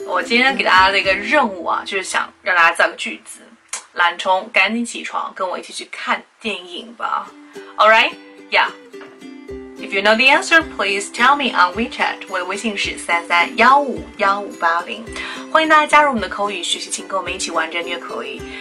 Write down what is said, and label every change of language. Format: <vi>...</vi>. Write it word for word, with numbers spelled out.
<zh>我今天给大家的一个任务啊，就是想让大家造个句子，懒虫赶紧起床，跟我一起去看电影吧。</zh> <en>All right, yeah. If you know the answer, please tell me on WeChat.</en> <zh>我的微信是三三幺五幺五八零，欢迎大家加入我们的口语学习群，跟我们一起玩战略口语。</zh>